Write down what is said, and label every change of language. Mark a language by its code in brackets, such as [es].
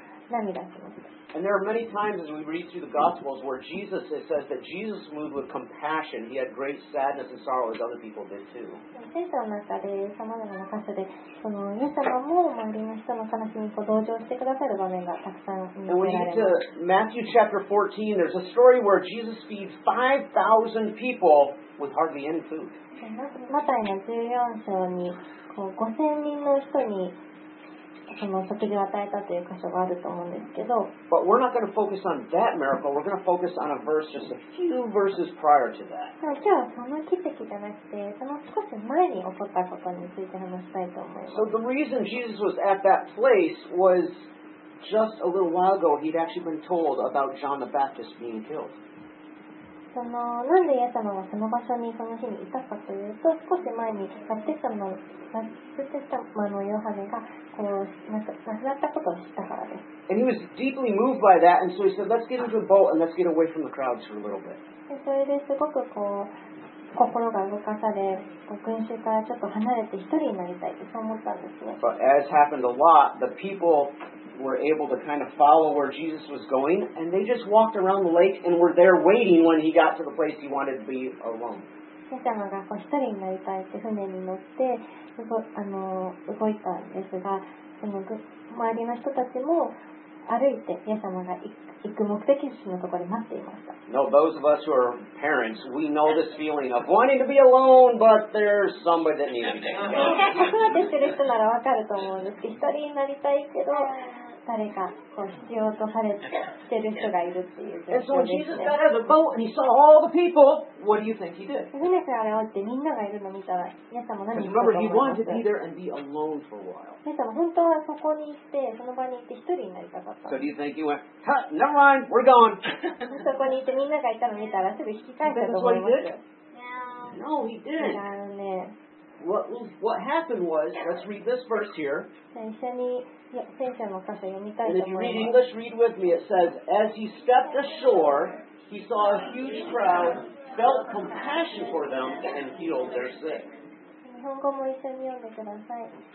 [en] And there are many times as we read through the Gospels where Jesus, it says that Jesus moved with compassion. He had great sadness and sorrow as other people did too. [ja] 聖書の中で様々な箇所でそのイエス様も周りの人の悲しみと同情してくださる場面がたくさん見られます。 [en] And when you get to Matthew chapter 14, there's a story where Jesus feeds 5,000 people with hardly any food. [ja] マタイの14章にこう5000人の人にその食事を与えたという箇所があると思うんですけど。 [en] But we're not going to focus on that miracle. We're going to focus on a verse just a few verses prior to that. [ja] 今日はその奇跡じゃなくて、その少し前に起こったことについて話したいと思います。 [en] So the reason Jesus was at that place was just a little while ago, he'd actually been told about John the Baptist being killed. [ja] そのなんでイエス様がその場所にその日にいたかというと少し前にバプテスマ のヨハネがこう亡くなったことを知ったからです。 [en] And he was deeply moved by that, and so he said, let's get into a boat and let's get away from the crowds for a little bit. [ja] でそれですごくこう心が動かされ群衆からちょっと離れて一人になりたいとそう思ったんですね。 [en] But as happened a lot, the peopleWere able to kind of follow where Jesus was going, and they just walked around the lake and were there waiting when he got to the place he wanted to be alone. [ja] イエス様がこう一人になりたいって船に乗って動いたんですが、その周りの人たちも歩いてイエス様が行く目的地のところで待っていました。 [en] No, those of us who are parents, we know this feeling of wanting to be alone, but there's somebody that needs to be [ja] 子育てする人ならわかると思うんですけど、一人になりたいけど。誰かこう必要とされてる人がいるっていう状況ですね。 [en] So、boat, people, [ja] 船から降りてみんながいるのを見たら、イエス様何をしてるのか。イエス様本当はそこに行って、その場に行って一人になりたかった。 [en] So、do you think you went, never mind, we're gone. [ja] そこに行ってみんながいたのを見たらすぐ引き返したと思います。 [en] No, he didn't. ね。 What happened was, let's read this verse here. [ja] 一緒に聖書の箇所読みたいと思います。 [en] And if you read English, read with me. It says, as he stepped ashore, he saw a huge crowd, felt compassion for them, and healed their sick. [ja] 日本語も一緒に読んでください。